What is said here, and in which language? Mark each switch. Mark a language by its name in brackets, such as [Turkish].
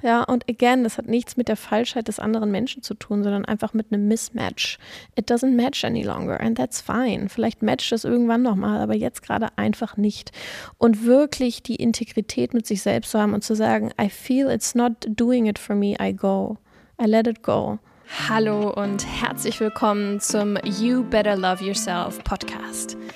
[German] Ja, und again, das hat nichts mit der Falschheit des anderen Menschen zu tun, sondern einfach mit einem Mismatch. [English] It doesn't match any longer and that's fine. [German] Vielleicht matcht es irgendwann nochmal, aber jetzt gerade einfach nicht. Und wirklich die Integrität mit sich selbst zu haben und zu sagen, [English] I feel it's not doing it for me, I go. I let it go. [German] Hallo und herzlich willkommen zum You Better Love Yourself Podcast.